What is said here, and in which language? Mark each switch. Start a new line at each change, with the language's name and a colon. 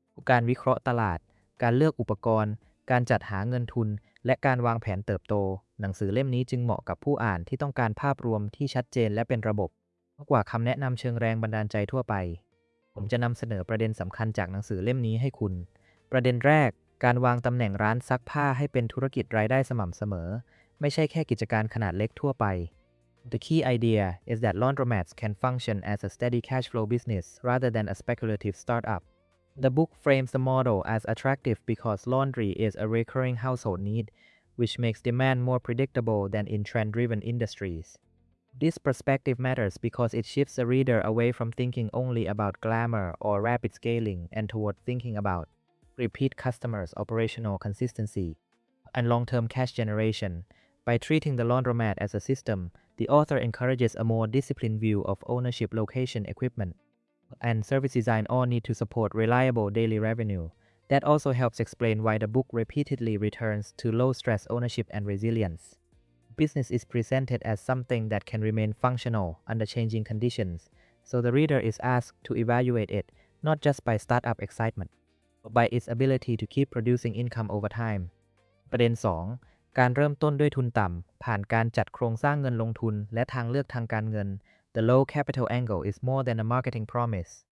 Thai: การวิเคราะห์ตลาดการเลือกอุปกรณ์การจัดหาเงินทุนและการวางแผนเติบโตหนังสือเล่มนี้จึงเหมาะกับผู้อ่านที่ต้องการภาพรวมที่ชัดเจนและเป็นระบบมากกว่าคำแนะนำเชิงแรงบันดาลใจทั่วไปผมจะนำเสนอประเด็นสำคัญจากหนังสือเล่มนี้ให้คุณประเด็นแรกการวางตำแหน่งร้านซักผ้าให้เป็นธุรกิจรายได้สม่ำเสมอไม่ใช่แค่กิจการขนาดเล็กทั่วไป
English: The key idea is that laundromats can function as a steady cash flow business rather than a speculative startup. The book frames the model as attractive because laundry is a recurring household need, which makes demand more predictable than in trend-driven industries. This perspective matters because it shifts the reader away from thinking only about glamour or rapid scaling and toward thinking about repeat customers, operational consistency, and long-term cash generation. By treating the laundromat as a system, the author encourages a more disciplined view of ownership, location, equipment, and service design all need to support reliable daily revenue. That also helps explain why the book repeatedly returns to low-stress ownership and resilience. Business is presented as something that can remain functional under changing conditions, so the reader is asked to evaluate it not just by startup excitement, but by its ability to keep producing income over time.
Thai: ประเด็น 2. การเริ่มต้นด้วยทุนต่ำผ่านการจัดโครงสร้างเงินลงทุนและทางเลือกทางการเงิน
English: The low capital angle is more than a marketing promise.